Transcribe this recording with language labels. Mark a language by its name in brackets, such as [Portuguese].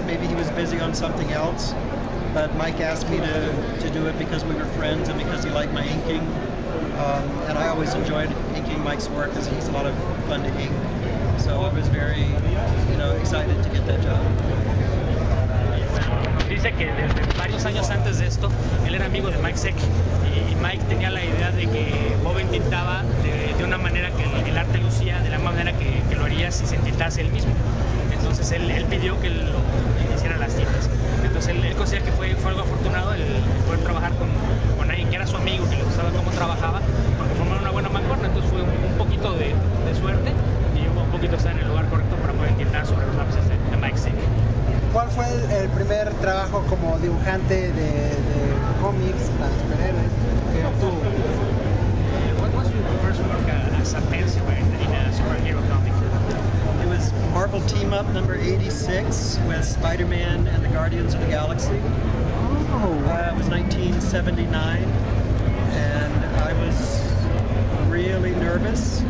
[English] Maybe he was busy on something else, but Mike asked me to do it because we were friends and because he liked my inking. And I always enjoyed inking Mike's work because he's a lot of fun to ink. So I was very, excited to get that job. [Spanish] Dice que desde varios años antes de esto, él era amigo de Mike Zeck, y Mike tenía la idea de que Boven tintaba de una manera que el arte lucía, de la manera que lo haría si se tintase él mismo. Entonces él pidió que lo hiciera las tintas. Entonces él considera que fue algo afortunado el poder trabajar con alguien que era su amigo, que le gustaba cómo trabajaba, porque formaron una buena mancuerna. Entonces fue un poquito de suerte y hubo un poquito de estar en el lugar correcto para poder tintar sobre los lápices de Mike Zeck. ¿Cuál fue el primer trabajo como dibujante de cómics para superhéroes que obtuvo? [English] What was your first work as a pencil in a superhero comic? It was Marvel Team Up number 86 with Spider-Man and the Guardians of the Galaxy. Oh. It was 1979, and I was really nervous.